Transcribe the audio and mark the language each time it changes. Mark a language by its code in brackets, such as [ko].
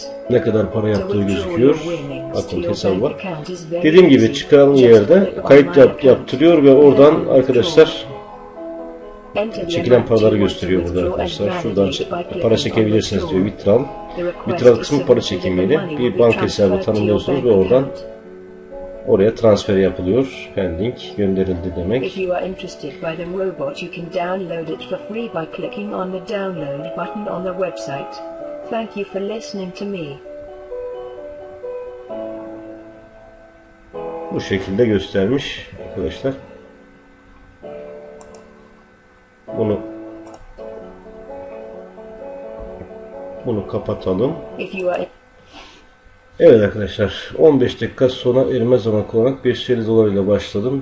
[tr] Ne kadar para yaptığı gözüküyor. Bakın hesabı var. Dediğim gibi çıkan yerde kayıt yaptırıyor ve oradan arkadaşlar Çekilen paraları gösteriyor burada arkadaşlar. Şuradan para çekebilirsiniz diyor. Withdraw. Withdraw kısmı para çekimiyle. Bir banka hesabı tanımlıyorsunuz ve oradan oraya transfer yapılıyor. Pending gönderildi demek. [en] If you are interested by the robot, you can download it for free by clicking on the download button on the website. Thank you for listening to me. [tr] Bu şekilde göstermiş arkadaşlar. Bunu kapatalım. Evet arkadaşlar, 15 dakika sonra erime zamanı olarak 550 dolar ile başladım.